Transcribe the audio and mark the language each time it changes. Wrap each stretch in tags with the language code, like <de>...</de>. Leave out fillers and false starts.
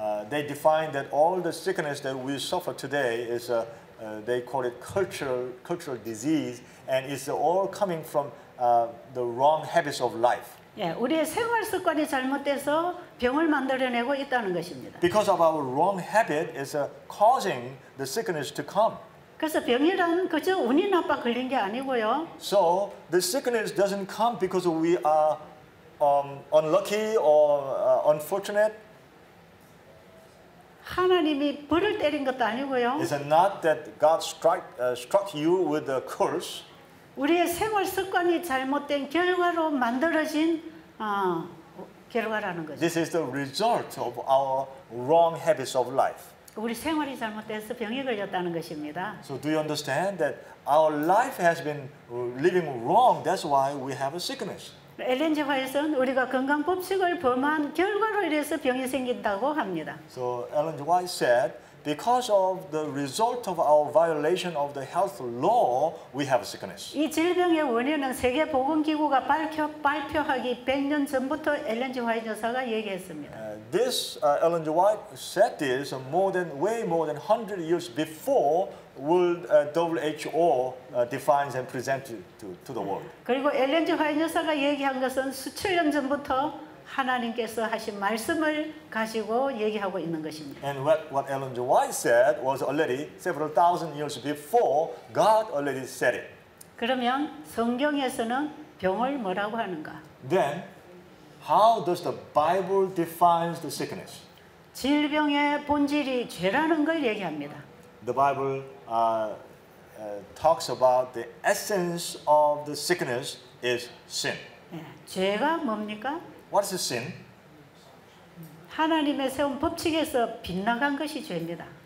<en>They define that all the sickness that we suffer today is a they call it cultural disease and it's all coming from the wrong habits of life.</en> <ko>예, 우리의 생활 습관이 잘못돼서 병을 만들어내고 있다는 것입니다.</ko> <en>Because of our wrong habit is causing the sickness to come.</en> <ko>그래서 병이란 그저 운이 나빠 걸린 게 아니고요.</ko> <en>So the sickness doesn't come because we are unlucky or unfortunate.</en> <ko>하나님이 벌을 때린 것도 아니고요.</ko> <en>It's not that God struck you with a curse.</en> <ko>우리의 생활 습관이 잘못된 결과로 만들어진 결과라는 거죠.</ko> <en>This is the result of our wrong habits of life.</en> <ko>우리 생활이 잘못돼서 병이 걸렸다는 것입니다.</ko> <en>So do you understand that our life has been living wrong? That's why we have a sickness.</en> <ko>엘렌지화에서는 우리가 건강 법칙을 범한 결과로 인해서 병이 생긴다고 합니다.</ko> <en>So Ellen White said, because of the result of our violation of the health law, we have sickness.</en> <ko>이 질병의 원인은 세계 보건기구가 발표하기 100년 전부터 엘렌지화의 여사가 얘기했습니다.</ko> <en>This Ellen White said this more than 100 years before. World WHO defines and presents it to the world.</en> <ko>그리고 엘렌 G 화이트 여사가 얘기한 것은 수천 년 전부터 하나님께서 하신 말씀을 가지고 얘기하고 있는 것입니다.</ko> <en>And what Ellen G White said was already several thousand years before God already said it.</en> <ko>그러면 성경에서는 병을 뭐라고 하는가?</ko> <en>Then, how does the Bible defines the sickness?</en> <ko>질병의 본질이 죄라는 걸 얘기합니다.</ko> <en>The Bible talks about the essence of the sickness is sin.</en> <ko>죄가 뭡니까?</ko> <en>What is sin?</en> <ko>하나님의 세운 법칙에서 빗나간 것이 죄입니다.</ko>